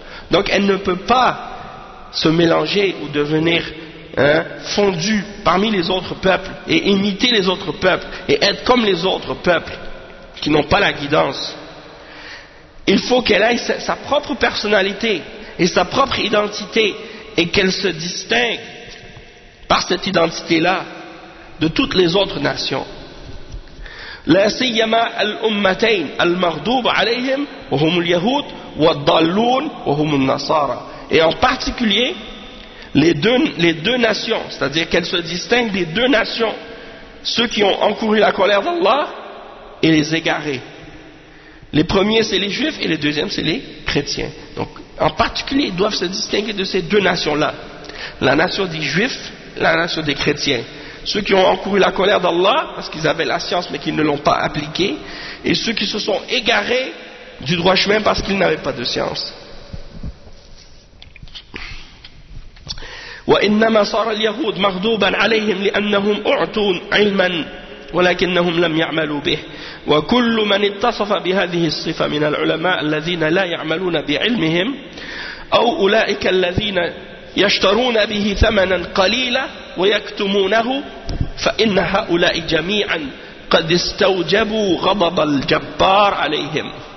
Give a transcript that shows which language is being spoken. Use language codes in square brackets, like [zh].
[fr] Donc elle ne peut pas se mélanger ou devenir fondue parmi les autres peuples et imiter les autres peuples et être comme les autres peuples qui n'ont pas la guidance. Il faut qu'elle ait sa propre personnalité et sa propre identité et qu'elle se distingue par cette identité-là de toutes les autres nations. [ar] لا سيما الأمتين المغضوب عليهم وهم اليهود والضالون وهم النصارى. [fr] Et en particulier les deux nations, c'est-à-dire qu'elles se distinguent des deux nations ceux qui ont encouru la colère d'Allah et les égarés. Les premiers, c'est les juifs, et les deuxièmes, c'est les chrétiens. Donc, en particulier, ils doivent se distinguer de ces deux nations-là. La nation des juifs, la nation des chrétiens. Ceux qui ont encouru la colère d'Allah, parce qu'ils avaient la science, mais qu'ils ne l'ont pas appliquée, et ceux qui se sont égarés du droit chemin parce qu'ils n'avaient pas de science. [ar] وإنما صار اليهود مغضوبا عليهم لأنهم أعطوا علما ولكنهم لم يعملوا به وكل من اتصف بهذه الصفة من العلماء الذين لا يعملون بعلمهم أو أولئك الذين يشترون به ثمنا قليلا ويكتمونه فإن هؤلاء جميعا قد استوجبوا غضب الجبار عليهم.